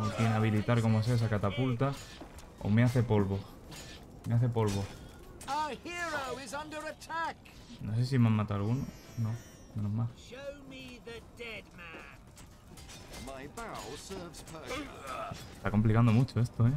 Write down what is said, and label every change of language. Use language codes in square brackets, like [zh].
[es] No tiene habilitar como sea esa catapulta. O me hace polvo. Me hace polvo. [en] Our hero is under attack. [es] No sé si me han matado alguno. No, menos mal. [en] Show me the dead man. My bow serves Persia. [es] Está complicando mucho esto, ¿eh?